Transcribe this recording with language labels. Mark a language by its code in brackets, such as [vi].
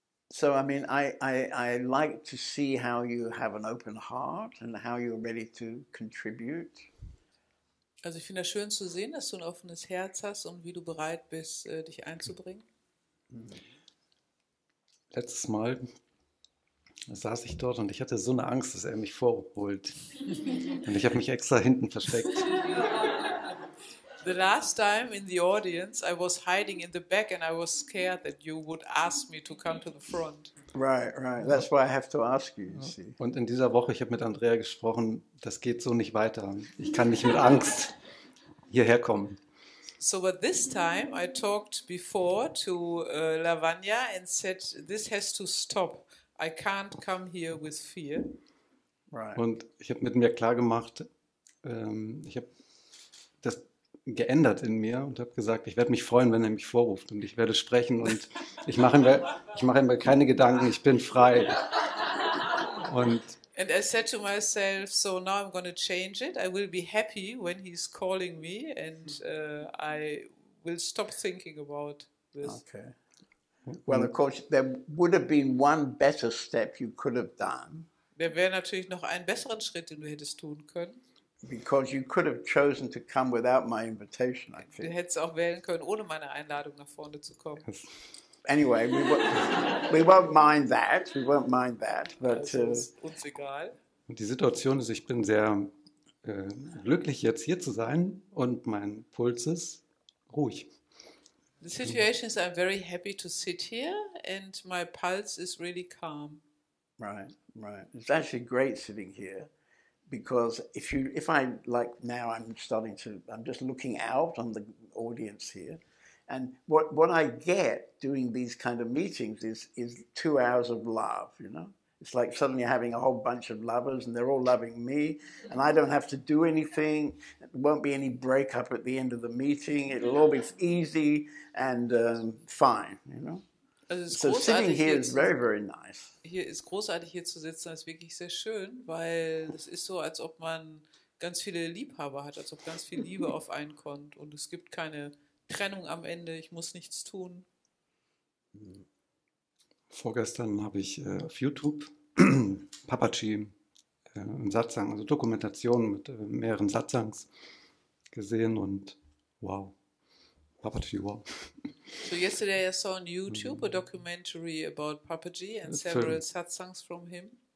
[en] So, I mean, I like to see how you have an open heart and how you're ready to contribute. [de] Also, ich finde es schön zu sehen, dass du ein offenes Herz hast und wie du bereit bist, dich einzubringen. Letztes Mal saß ich dort und ich hatte so eine Angst, dass er mich vorholt. Und ich habe mich extra hinten versteckt. [en] The last time in the audience, I was hiding in the back and I was scared that you would ask me to come to the front. Right, right. That's why I have to ask you, you see. [de] Und in dieser Woche, ich habe mit Andrea gesprochen, das geht so nicht weiter. Ich kann nicht mit Angst hierher kommen. [en] So, but this time I talked before to Lavanya and said, this has to stop. I can't come here with fear. Right. [de] Und ich habe mit mir klar gemacht, ich habe das geändert in mir und habe gesagt, ich werde mich freuen, wenn er mich vorruft und ich werde sprechen und ich mache ihm keine Gedanken, ich bin frei. [en] And I said to myself, so now I'm going to change it. I will be happy when he's calling me and I will stop thinking about this. Okay. Well, of course, there would have been one better step you could have done. [de] Da wäre natürlich noch einen besseren Schritt, den du hättest tun können. [en] Because you could have chosen to come without my invitation, I think. [de] Du hättest auch wählen können, ohne meine Einladung nach vorne zu kommen. [en] Anyway, we won't mind that. But, [de] also ist uns egal. Die Situation ist, ich bin sehr glücklich, jetzt hier zu sein und mein Puls ist ruhig. [en] The situation is I'm very happy to sit here and my pulse is really calm. Right, right. It's actually great sitting here because I'm just looking out on the audience here and what I get doing these kind of meetings is 2 hours of love, you know? It's like suddenly having a whole bunch of lovers and they're all loving me and I don't have to do anything. There won't be any breakup at the end of the meeting. It'll all be easy and fine, you know? So sitting here is very, very nice. [de] Hier ist großartig, hier zu sitzen, ist wirklich sehr schön, weil es ist so, als ob man ganz viele Liebhaber hat, als ob ganz viel Liebe auf einen kommt und es gibt keine Trennung am Ende, ich muss nichts tun. Vorgestern habe ich auf YouTube Papaji im Satsang, also Dokumentation mit mehreren Satsangs gesehen und wow, Papaji, wow. [en] So yesterday I saw on YouTube a documentary about Papaji and several satsangs from him.